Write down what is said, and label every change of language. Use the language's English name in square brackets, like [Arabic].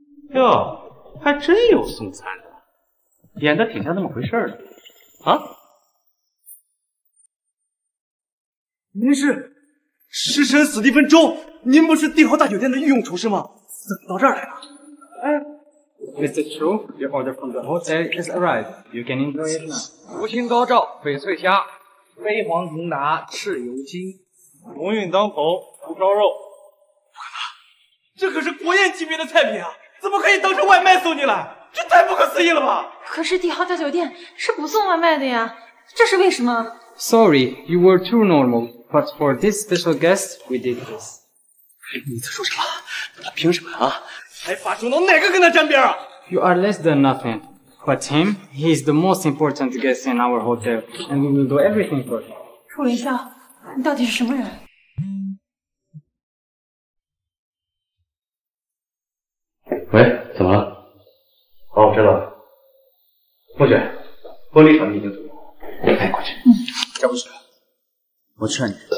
[Chinese] 哟，还真有送餐的，演的挺像那么回事的啊。您是食神史蒂芬周，您不是帝豪大酒店的御用厨师吗？怎么到这儿来了？ [English] 哎 ，Mr. Chu, your order from the hotel has arrived. You can enjoy it now. [Chinese] 福星高照，翡翠虾，飞黄腾达，赤油精，龙运当头，红烧肉。不可能，这可是国宴级别的菜品啊，怎么可以当成外卖送进来？这太不可思议了吧！可是帝豪大酒店是不送外卖的呀，这是为什么？ [English] Sorry, you were too normal, but for this special guest, we did this. [Chinese] 你在说什么？他凭什么啊？还发愁到哪个跟他沾边啊？ [English] You are less than nothing, but him, he is the most important guest in our hotel, and we will do everything for him. [Chinese] 楚林霄，你到底是什么人？喂，怎么了？好，我知道了。莫雪，玻璃厂已经走了，我派过去。嗯。江不雪，我劝你